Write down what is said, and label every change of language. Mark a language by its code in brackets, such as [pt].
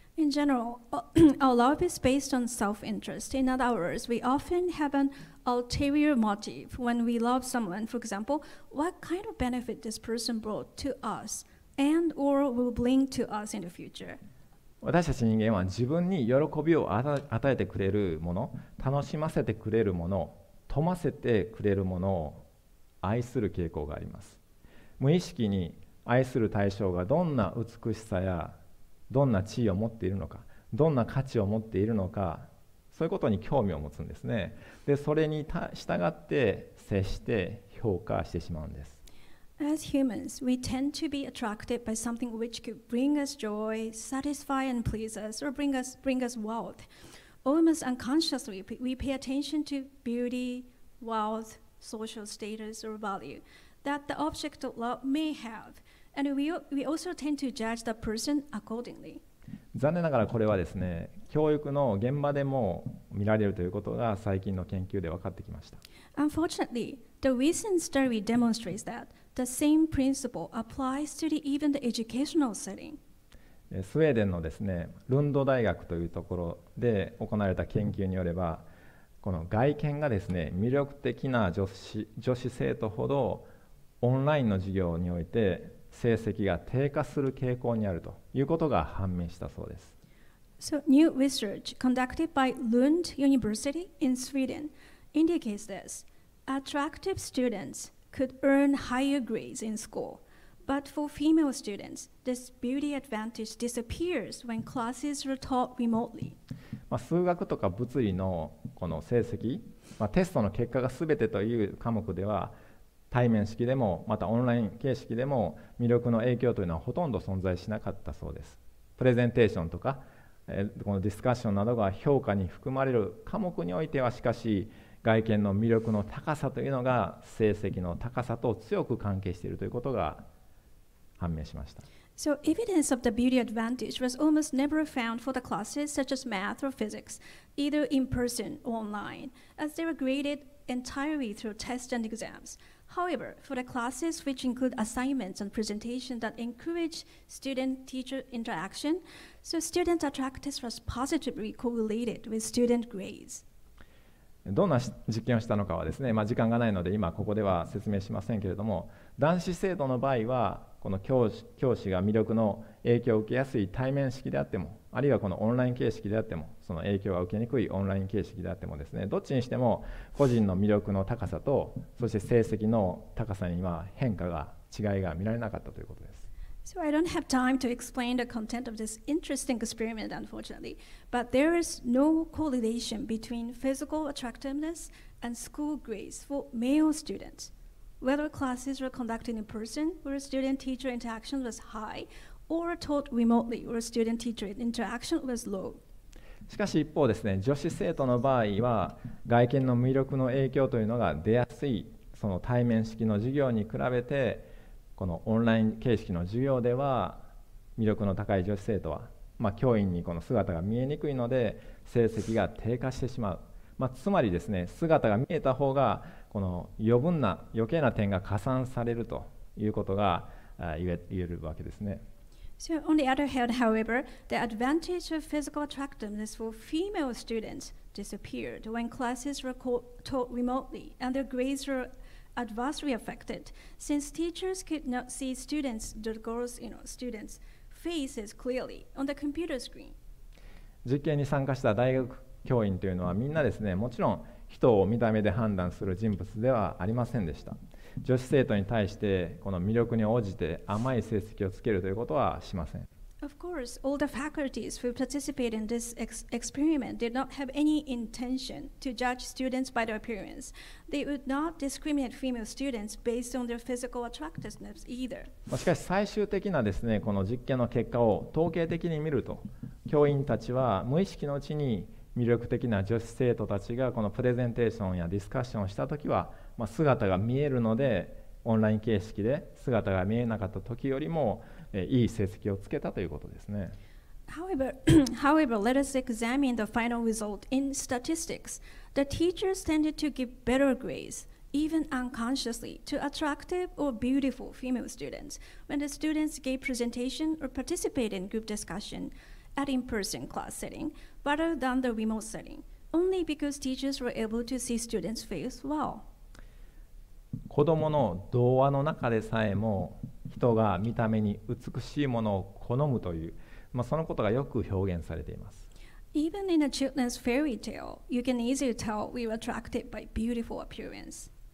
[en] In general, our love is based on self-interest. In other words, we often have an ulterior motive when we love someone. For example, what kind of benefit this person brought to us and or will bring to us in the future? [ja] 私たち人間は自分に喜びを与えてくれるもの、楽しませてくれるもの、富ませてくれるものを愛する傾向があります。無意識に愛する対象がどんな美しさやどんな地位を持っているのか、どんな価値を持っているのか、そういうことに興味を持つんですね。で、それに従って接して評価してしまうんです。 [en] As humans, we tend to be attracted by something which could bring us joy, satisfy and please us, or bring us wealth. Almost unconsciously, we pay attention to beauty, wealth, social status or value that the object of love may have. And we also tend to judge the person accordingly. [ja] 残念ながらこれはですね、教育の現場でも見られるということが最近の研究で分かってきました。 [en] Unfortunately, the recent study demonstrates that the same principle applies to even the educational setting. [ja] スウェーデンのですね、ルンド大学というところで行われた研究によれば、この外見がですね、魅力的な女子生徒ほどオンラインの授業において成績が低下する傾向にあるということが判明したそうです。 [en] So, new research conducted by Lund University in Sweden indicates this. Attractive students could earn higher grades in school, but for female students, this beauty advantage disappears when classes are taught remotely. [ja] 数学とか物理のこの成績、テストの結果が全てという科目では対面式でもまたオンライン形式でも魅力の影響というのはほとんど存在しなかったそうです。プレゼンテーションとか、このディスカッションなどが評価に含まれる科目においてはしかし外見の魅力の高さというのが成績の高さと強く関係しているということが判明しました。 [en] So evidence of the beauty advantage was almost never found for the classes such as math or physics either in person or online as they were graded entirely through tests and exams. However, for the classes which include assignments and presentations that encourage student-teacher interaction, so student attractiveness was positively correlated with student grades. [ja] どんな実験をしたのかはですね、時間がないので今ここでは説明しませんけれども、男子生徒の場合はこの教師が魅力の影響を受けやすい対面式であっても、あるいはこのオンライン形式であっても、その影響が受けにくいオンライン形式であってもですね、どっちにしても個人の魅力の高さと、そして成績の高さには変化が、違いが見られなかったということです。 [en] So I don't have time to explain the content of this interesting experiment, unfortunately, but there is no correlation between physical attractiveness and school grades for male students. Whether classes were conducted in person, where student-teacher interaction was high,or taught remotely, or student-teacher interaction was low. [ja] しかし一方ですね、女子生徒の場合は外見の魅力の影響というのが出やすいその対面式の授業に比べて、このオンライン形式の授業では魅力の高い女子生徒は、教員にこの姿が見えにくいので成績が低下してしまう。つまりですね、姿が見えた方がこの余計な点が加算されるということが言えるわけですね。 [en] So on the other hand, however, the advantage of physical attractiveness for female students disappeared when classes were taught remotely and their grades were adversely affected, since teachers could not see students, the girls, you know, students' faces clearly on the computer screen. [ja] 実験に参加した大学教員というのはみんなですね、もちろん人を見た目で判断する人物ではありませんでした。女子生徒に対してこの魅力に応じて甘い成績をつけるということはしません。 [en] Of course, all the faculties who participated in this experiment did not have any intention to judge students by their appearance. They would not discriminate female students based on their physical attractiveness either. [ja] しかし最終的なですね、この実験の結果を統計的に見ると、教員たちは無意識のうちに魅力的な女子生徒たちがこのプレゼンテーションやディスカッションをしたときは、まあ、姿が見えるのでオンライン形式で姿が見えなかった時よりも、いい成績をつけたということですね。 [en] However, let us examine the final result in statistics. The teachers tended to give better grades, even unconsciously, to attractive or beautiful female students when the students gave presentation or participated in group discussion at in-person class setting rather than the remote setting, only because teachers were able to see students' face well. [ja] 子どもの童話の中でさえも人が見た目に美しいものを好むという、まあ、そのことがよく表現されています。 [en] Even in a children's fairy tale, you can easily tell we were attracted by beautiful appearance.